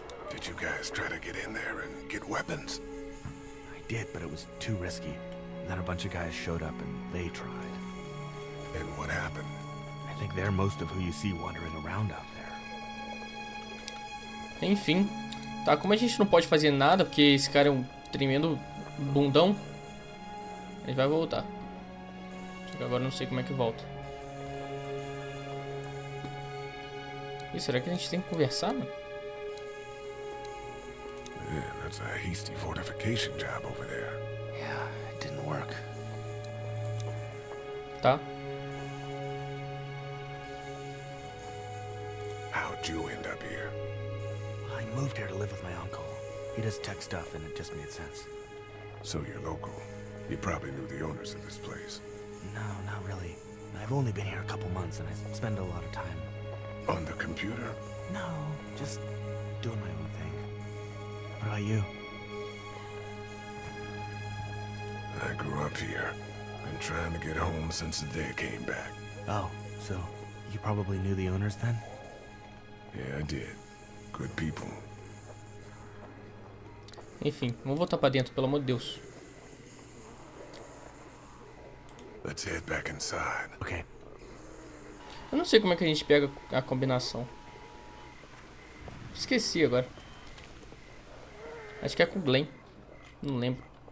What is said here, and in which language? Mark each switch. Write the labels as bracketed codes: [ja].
[en] Did you guys try to get in there and get weapons? I did, but it was too risky. And then a bunch of guys showed up and they tried. And what happened? I think they're most of who you see wandering around out there. [pt] Enfim. Tá, como a gente não pode fazer nada, porque esse cara é um tremendo bundão, ele vai voltar. Só que agora eu não sei como é que volta. E será que a gente tem que conversar, mano? [en] Yeah, that's a hasty fortification job over there. Yeah, it didn't work. [pt] Tá. [en] How'd you end up here? I moved here to live with my uncle. He does tech stuff and it just made sense. So you're local. You probably knew the owners of this place. No, not really. I've only been here a couple months and I spend a lot of time... On the computer? No, just doing my own thing. What about you? I grew up here. Been trying to get home since the day I came back. Oh, so you probably knew the owners then? Yeah, I did. Good people. [pt] Enfim, vamos voltar pra dentro, pelo amor de Deus. [en] Let's head back inside. Okay. [pt] Eu não sei como é que a gente pega a combinação. Esqueci agora. Acho que é com o Glenn. Não lembro.